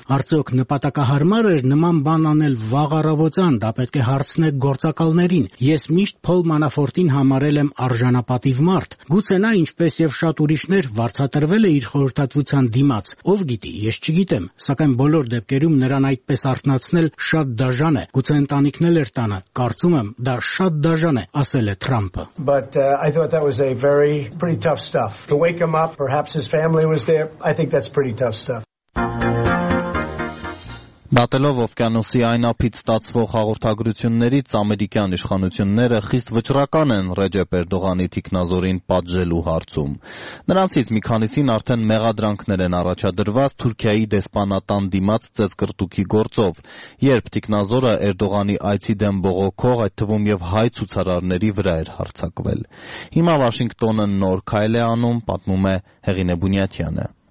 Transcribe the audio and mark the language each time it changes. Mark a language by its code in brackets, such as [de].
[hy] Արդյոք նպատակահարմար էր նման բան անել վաղ առավոտյան, դա պետք է հարցնեք գործակալներին։ Ես միշտ Paul Manafort-ին համարել եմ արժանապատիվ մարդ։ Գուցե նա, ինչպես եւ շատ ուրիշներ, վարձատրվել է իր խորհրդատվության դիմաց։ Ով գիտի, ես չգիտեմ, սակայն բոլոր դեպքերում նրան այդպես արտնացնել շատ դաժան է։ Գուցե ընտանիքն էլ էր տանը։ Կարծում եմ, դա շատ դաժան է, ասել է Թրամփը։ [en] But I thought that was a very pretty tough stuff to wake him up. Perhaps his family was there. I think that's pretty tough stuff. [hy] Մատելով օվկիանոսի այն ափից ստացվող հաղորդագրություններից, ամերիկյան իշխանությունները խիստ վճռական են Ռեջեփ Էրդողանի թիկնազորին պատժելու հարցում։ Նրանցից մի քանիսին արդեն մեղադրանքներ են առաջադրված Թուրքիայի դեսպանատան դիմաց ծեսկրտուքի գործով, երբ թիկնազորը Էրդողանի այցի դեմ բողոքող այդ թվում եւ հայ ցուցարարների վրա էր հարձակվել։ Հիմա Վաշինգտոնը նոր քայլ է անում, պատմում է Հեղինե Բունյատյանը։